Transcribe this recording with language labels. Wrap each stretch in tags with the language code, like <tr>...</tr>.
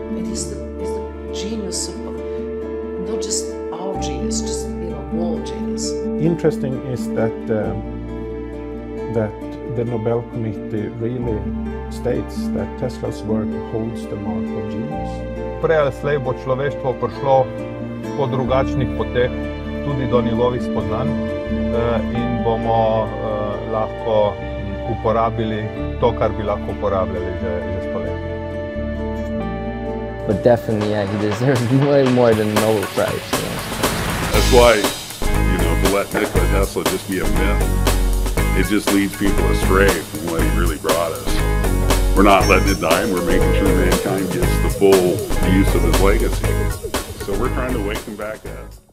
<en>It's the genius of not just our genius, just, you know, world genius. Interesting is that that the Nobel Committee really states that Tesla's work holds the mark of genius.</en> <sl>Prej ali slej bo človeštvo prišlo po drugačnih poteh tudi do njegovih spoznanj in bomo lahko uporabili to, kar bi lahko uporabljali že spoleti.</sl> <en>But definitely, yeah, he deserves way more than a Nobel Prize. So. That's why, you know, to let Nikola Tesla just be a myth, it just leads people astray from what he really brought us. We're not letting it die, and we're making sure mankind gets the full use of his legacy. So we're trying to wake him back up.</en>